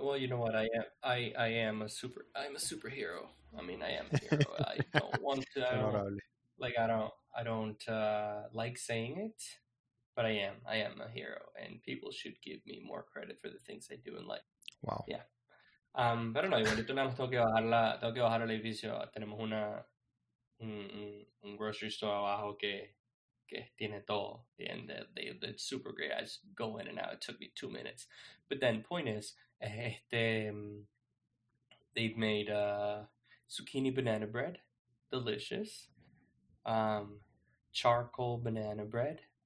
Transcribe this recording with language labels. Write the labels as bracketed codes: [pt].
[en] Well, you know what? I'm a superhero. I mean, I am a hero. I don't want to. I don't. Honorable. Like, I don't like saying it, but I am a hero, and people should give me more credit for the things I do in life. Wow. Yeah. [es] Pero no, igualito nada más tengo que bajar al edificio. Tenemos un grocery store abajo que Tiene todo. [en] And they're super great. I just go in and out. It took me 2 minutes. But then, point is, they've made zucchini banana bread. Delicious. Charcoal banana bread.